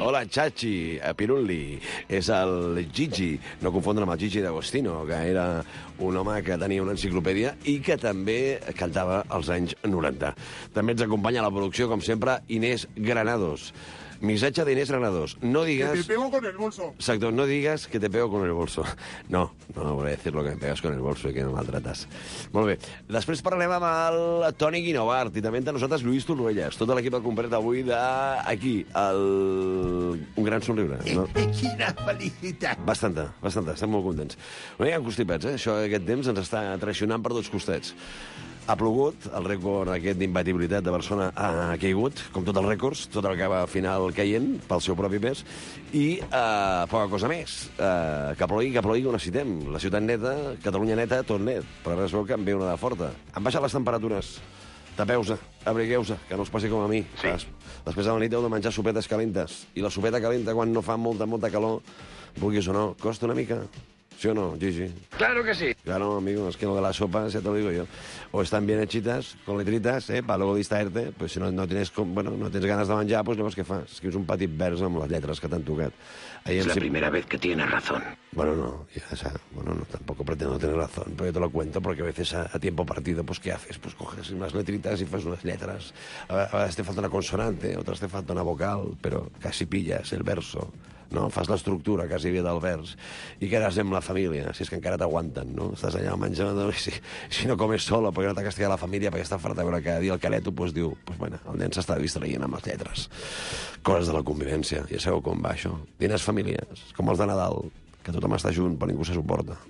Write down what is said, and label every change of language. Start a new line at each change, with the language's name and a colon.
Catalan: Hola, Chachi, Pirulli. És el Gigi. No confondre amb el Gigi d'Agostino, que era un home que tenia una enciclopèdia i que també cantava als anys 90. També ens acompanya a la producció, com sempre, Inés Granados. Missatge d'Inés Granados. No digues...
Spanish: Que te pego con el bolso. Exacto,
Catalan: no digues
Spanish: que te pego con el bolso. No, no voy a decir lo que me pegas con el bolso y que me maltratas.
Catalan: Molt bé. Després parlem amb el Toni Guinovart i també entre nosaltres Lluís Torruelles. Tot l'equip ha complet avui d'aquí, el... un gran somriure. No? Quina felicitat. Bastanta, bastanta. Estem molt contents. No hi ha constipats, eh? Això aquest temps ens està traicionant per dos costats. Ha plogut, el rècord aquest d'imbatibilitat de Barcelona ha caigut, com tots els rècords, tot el que va final caient pel seu propi pes, i poca cosa més. Que plogui, ho necessitem. La ciutat neta, Catalunya neta, tot net, però ara es veu que en ve una de forta. Han baixat les temperatures. Tapeu-se, abrigueu-se, que no us passi com a mi. Sí. Després de la nit heu de menjar sopetes calentes, i la sopeta calenta, quan no fa molta, molta calor, vulguis o no, costa una mica.
Spanish: ¿Sí o no, Gigi? Claro que sí. Claro, amigo, es que lo de las sopas, ya te lo digo yo. O están bien hechitas, con letritas, ¿eh? Para luego distraerte. Pues si no, no tienes, bueno, no tienes ganas de menjar,
Catalan: pues llavors què fas? Escrius un petit vers amb les lletres que t'han tocat.
Spanish: Ahí es la primera vez que tienes razón. Bueno, no, ya, o sea, bueno, no, tampoco pretendo tener razón, pero yo te lo cuento, porque a veces a tiempo partido, pues ¿qué haces? Pues coges unas letritas y haces unas letras. A veces te falta una consonante, otras te falta una vocal, pero casi pillas el verso.
Catalan: No, fas l'estructura quasi bé del vers i quedes amb la família, si és que encara t'aguanten, no? Estàs allà menjant,
Spanish: si no comes sola
Catalan: perquè no t'ha castigat la família perquè està farta veure cada dia el careto, doncs pues, diu, pues, bueno, el nen s'està distraient amb les lletres. Coses de la convivència, ja sabeu com va això. Dines famílies, com els de Nadal, que tothom està junt, però ningú se suporta.